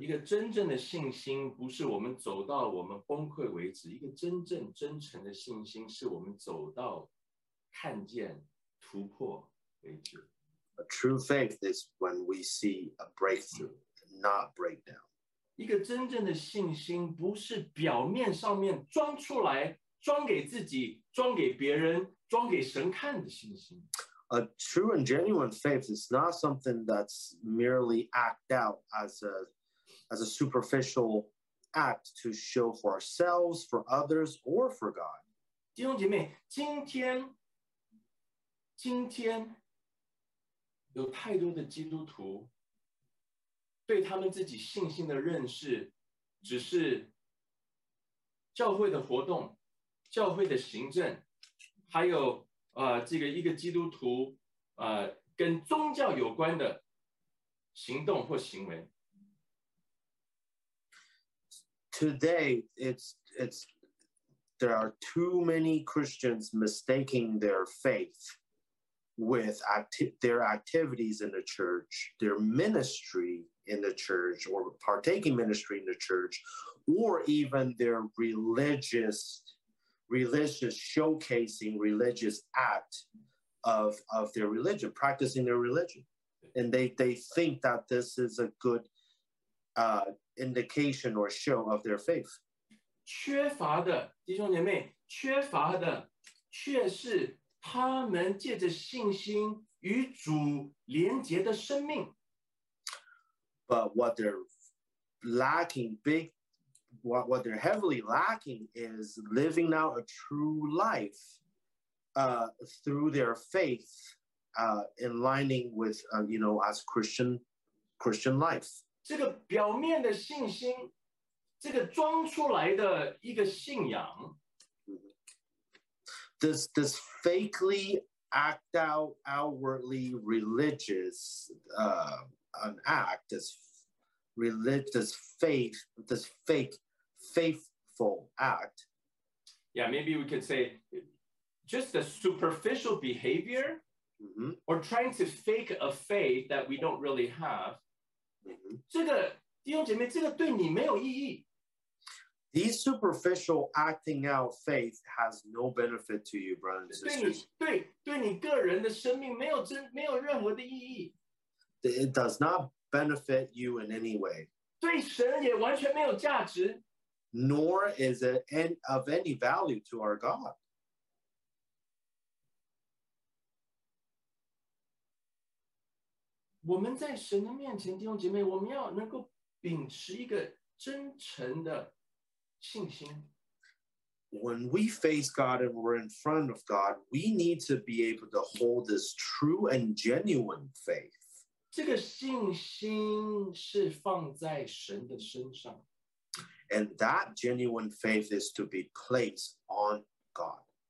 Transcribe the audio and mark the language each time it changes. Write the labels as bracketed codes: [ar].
[zh] 一个真正的信心不是我们走到我们崩溃为止，一个真正真诚的信心是我们走到看见突破。为止。 [en] A true faith is when we see a breakthrough, not breakdown. [zh] 一个真正的信心不是表面上面装出来、装给自己、装给别人、装给神看的信心。 [en] A true and genuine faith is not something that's merely act out as a superficial act to show for ourselves, for others, or for God. [zh] 弟兄姐妹，今天。有太多的基督徒，对他们自己信心的认识，只是教会的活动、教会的行政，还有这个一个基督徒跟宗教有关的行动或行为。 [en] Today, it's there are too many Christians mistaking their faith with their activities in the church, their ministry in the church, or partaking ministry in the church, or even their religious showcasing, religious act of their religion, practicing their religion. And they think that this is a good indication or show of their faith. [zh] 缺乏的弟兄姐妹，缺乏的却是他们借着信心与主连结的生命。 [en] But what they're heavily lacking is living out a true life through their faith in lining with as Christian life. [zh] 这个表面的信心，这个装出来的一个信仰。 [en] This fakely act out outwardly religious an act this religious faith this fake faithful act. Yeah, maybe we could say just the superficial behavior or trying to fake a faith that we don't really have. [zh] 这个弟兄姐妹，这个对你没有意义。 [en] These superficial acting out faith has no benefit to you, brothers and sisters. [zh] 对你个人的生命没有任何的意义。 [en] It does not benefit you in any way. [zh] 对神也完全没有价值。 [en] Nor is it any of any value to our God. [zh] 我们在神的面前，弟兄姐妹，我们要能够秉持一个真诚的信心。 [en] When we face God and we're in front of God, we need to be able to hold this true and genuine faith. [zh] 这个信心是放在神的身上。 [en] And that genuine faith is to be placed on God.